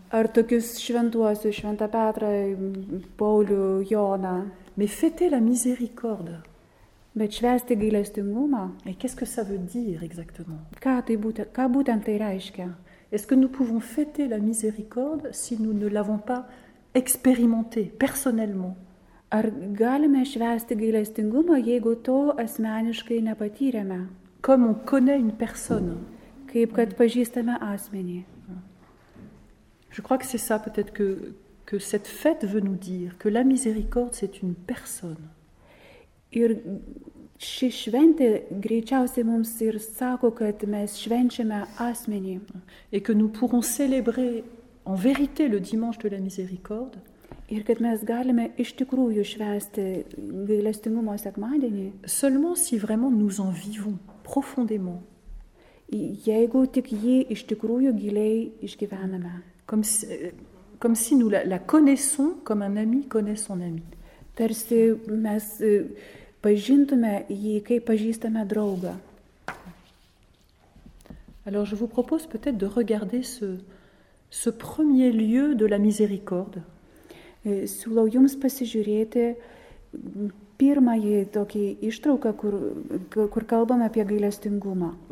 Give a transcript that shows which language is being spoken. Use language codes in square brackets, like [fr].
[lt] Ar tokius šventuosius, Šventą Petrą, Paulių, Joną. [fr] Mais fêtez la miséricorde. [lt] Bet švęsti gailestingumą. [fr] Et qu'est-ce que ça veut dire exactement? [lt] Ką būtent tai reiškia? [fr] Est-ce que nous pouvons fêter la miséricorde si nous ne l'avons pas expérimenté personnellement? [lt] Ar galime švęsti gailestingumą, jeigu to asmeniškai nepatyrėme? [fr] Comme on connaît une personne. [lt] Kaip kad pažįstame asmenį. [fr] Je crois que c'est ça peut-être que cette fête veut nous dire, que la miséricorde c'est une personne. [lt] Ir ši šventė greičiausiai mums ir sako, kad mes švenčiame asmenį. [fr] Et que nous pourrons célébrer en vérité le dimanche de la miséricorde. [lt] Ir kad mes galime iš tikrųjų švęsti gailestingumo sekmadienį. [fr] Seulement si vraiment nous en vivons profondément. [lt] Jeigu tik jį iš tikrųjų giliai išgyvename. [fr] Comme si nous la connaissons comme un ami connaît son ami. [lt] Tarsi mes pažintume jį, kaip pažįstame draugą. [fr] Alors je vous propose peut-être de regarder ce premier lieu de la miséricorde. [lt] Siūlau jums pasižiūrėti pirmąjį tokį ištrauką, kur kalbame apie gailestingumą.